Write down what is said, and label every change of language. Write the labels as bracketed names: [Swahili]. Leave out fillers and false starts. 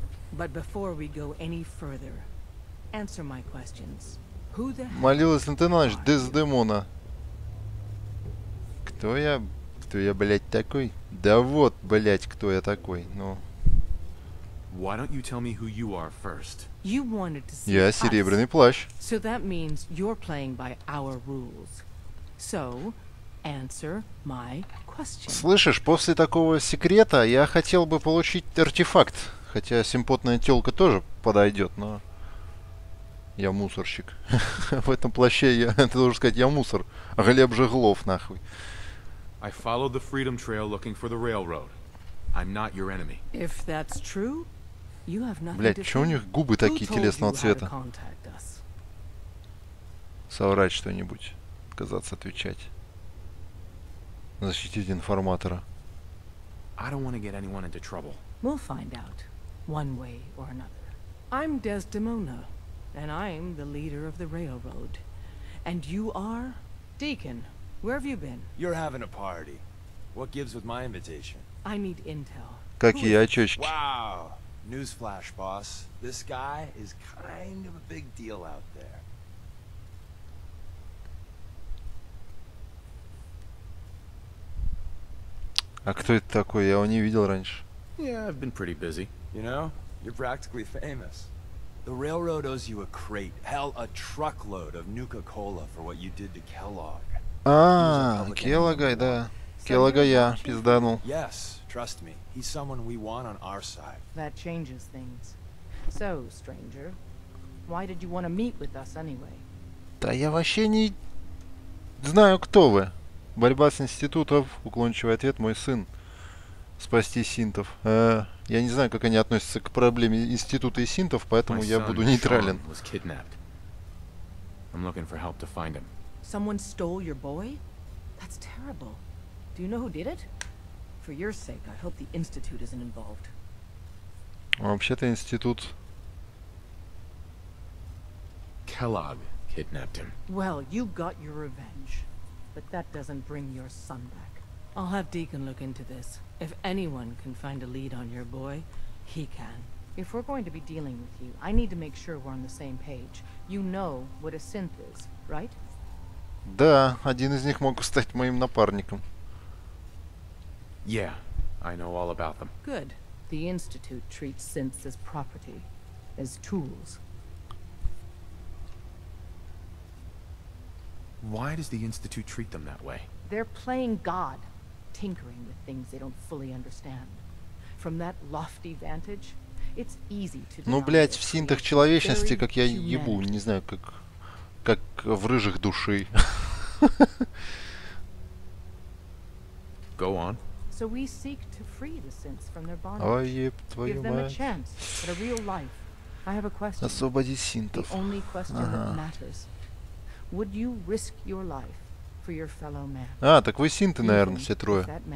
[English] But before we go any further, answer my questions. Who the hell? [Russian] Молилась на ты на ночь, Дездемона. Кто я? Кто я, блядь, такой? Да вот, блядь, кто я такой, ну. [English] Why don't you tell me who you are first? You wanted to see. [Russian] Я серебряный плащ. [English] So that means you're playing by our rules. So, answer my question. [Russian] Слышишь, после такого секрета я хотел бы получить артефакт. Хотя симпотная тёлка тоже подойдет, но я мусорщик. В этом плаще я, ты должен сказать, я мусор. Глеб Жеглов, нахуй. [English] I followed the Freedom Trail looking for the railroad. I'm not your enemy. If that's true, you have nothing. [Russian] Блять, чё у них губы такие телесного цвета? Соврать что-нибудь, отказаться отвечать, защитить информатора. [English] I don't want to get anyone into trouble. We'll find out. One way or another. I'm Desdemona, and I'm the leader of the railroad. And you are? Deacon, where have you been? You're having a party. What gives with my invitation? I need intel. [Russian] Какие очечки? [English] Wow! Newsflash, boss. This guy is kind of a big deal out there. [Russian] А кто это такой? Я его не видел раньше. [English] Yeah, I've been pretty busy. You know, you're practically famous. The railroad owes you a crate, hell, a truckload of Nuka-Cola for what you did to Kellogg. [Russian] Келлога, да. Келлога я пизданул. [English] Yes, trust me, he's someone we want on our side. That changes things. So, stranger, why did you want to meet with us anyway? [Russian] Да я вообще не знаю, кто вы. Борьба с институтов, уклончивый ответ, мой сын. Спасти синтов. Я не знаю, как они относятся к проблеме института и синтов, поэтому я буду нейтрален. [English] I'm looking for help to find him. Someone stole your boy? That's terrible. Do you know who did it? For your sake, I hope the institute isn't involved. [Russian] Вообще-то институт. [English] Kellogg kidnapped him. Well, you got your revenge, but that doesn't bring your son back. I'll have Deacon look into this. If anyone can find a lead on your boy, he can. If we're going to be dealing with you, I need to make sure we're on the same page. You know what a synth is, right? [Russian] Да, один из них мог стать моим напарником. [English] Yeah, I know all about them. Good. The Institute treats synths as property, as tools. Why does the Institute treat them that way? They're playing God. Tinkering with things they don't fully understand. From that lofty vantage, it's easy to. [Russian] Ну, блять, в синтах человечности, как я ебу, не знаю, как в рыжих души. [English] Go on. So we seek to free the synths from their bondage. [Russian] Ой, еб твою мать. [English] Give them a chance at a real life. I have a question. [Russian] Освободи синтов. [English] The only question that matters. Would you risk your life? [Russian] А, так вы синты, наверное, все трое.